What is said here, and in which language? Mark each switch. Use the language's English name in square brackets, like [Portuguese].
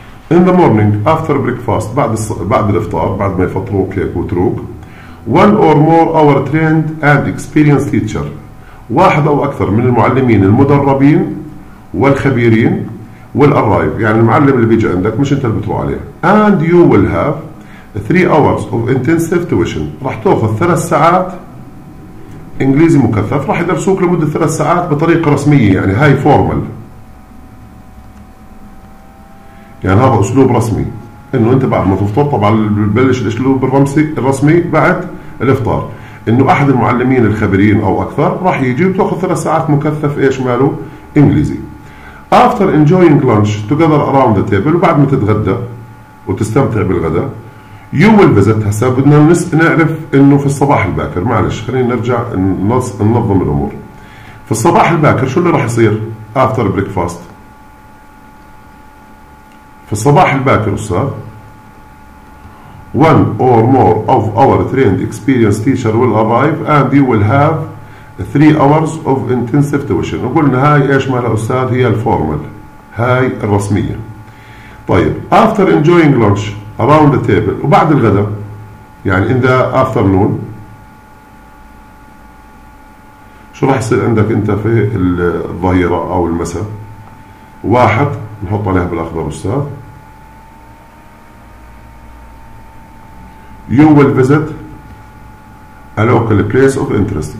[English] In the morning after breakfast [Arabic] بعد الافطار بعد ما يفطروا كيك وتروك. [English] One or more our trained and experienced teacher. [Arabic] واحد او اكثر من المعلمين المدربين والخبيرين والقرايب. يعني المعلم اللي بيجي عندك مش انت اللي بتروح عليه. [English] And you will have 3 hours of intensive tuition. [Arabic] راح تأخذ 3 ساعات انجليزي مكثف راح يدرسوك لمدة 3 ساعات بطريقة رسمية. يعني هاي فورمال يعني هذا اسلوب رسمي انه انت بعد ما تفطر طبعا ببلش الاسلوب الرسمي بعد الافطار انه احد المعلمين الخبرين او اكثر راح يجي وتأخذ 3 ساعات مكثف ايش ماله انجليزي. [English] After enjoying lunch together around the table [Arabic] وبعد ما تتغدى وتستمتع بالغداء [English] You will visit. [Arabic] هسا بدنا نعرف انه في الصباح الباكر معلش خلينا نرجع ننظم الامور. في الصباح الباكر شو اللي راح يصير after breakfast؟ في الصباح الباكر استاذ one or more of our trained experienced teacher will arrive and you will have 3 hours of intensive tuition. وقلنا هاي ايش مالها استاذ هي الفورمال هاي الرسمية. طيب [English] after enjoying lunch around the table [Arabic] وبعد الغداء يعني [English] in the afternoon [Arabic] شو راح يصير عندك انت في الظهيرة او المساء؟ واحد نحط عليها بالاخضر استاذ [English] you will visit a local place of interest.